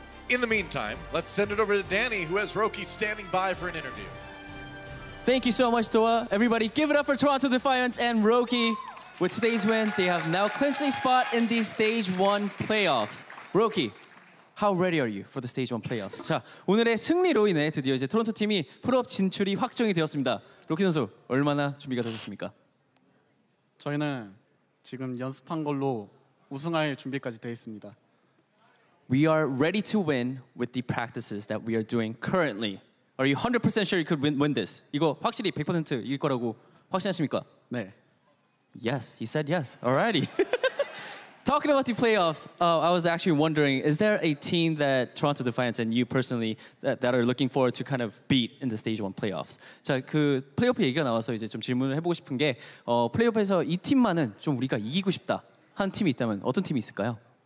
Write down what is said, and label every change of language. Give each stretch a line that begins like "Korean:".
English: In the meantime, let's send it over to Danny, who has Roki standing by for an interview. Thank you so much, Doa. Everybody, give it up for Toronto Defiance and Roki. With today's win, they have now clinched a spot in the stage one playoffs. Roki, how ready are you for the stage one playoffs?
Korean: 자, 오늘의 승리로 인해 드디어 이제 토론토 팀이 플레이오프 진출이 확정이 되었습니다. 로키 선수, 얼마나 준비가 되셨습니까? 저희는 지금 연습한 걸로 우승할 준비까지 돼 있습니다.
English: We are ready to win with the practices that we are doing currently. Are you 100% sure you could win this?
Korean: 이거 확실히 100% 이길 거라고 확신하십니까? 네.
English: Yes, he said yes. Alrighty. Talking about the playoffs, I was actually wondering, is there a team that Toronto Defiance and you personally that are looking forward to kind of beat in the stage one playoffs?
Korean: 자, 그 플레이오프 얘기가 나와서 이제 좀 질문을 해보고 싶은 게 플레이오프에서 이 팀만은 좀 우리가 이기고 싶다 한 팀이 있다면 어떤 팀이 있을까요?